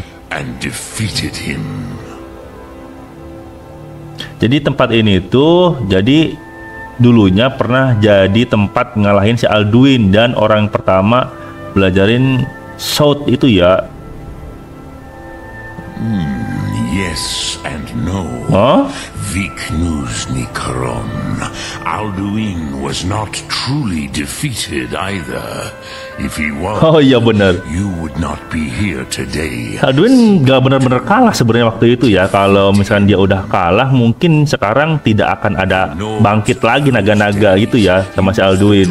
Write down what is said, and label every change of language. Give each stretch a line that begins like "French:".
English: and defeated him.
Indonesian: Jadi tempat ini tuh jadi dulunya pernah jadi tempat ngalahin si Alduin dan orang pertama belajarin Shout itu ya.
English: Yes and no. Viknus Nikaron, Alduin was not truly defeated either. If he was,
Indonesian: oh iya benar.
English: You would not be here today.
Indonesian: Alduin enggak benar-benar kalah sebenarnya waktu itu ya. Kalau misalnya dia udah kalah, mungkin sekarang tidak akan ada bangkit lagi naga-naga gitu ya sama si Alduin.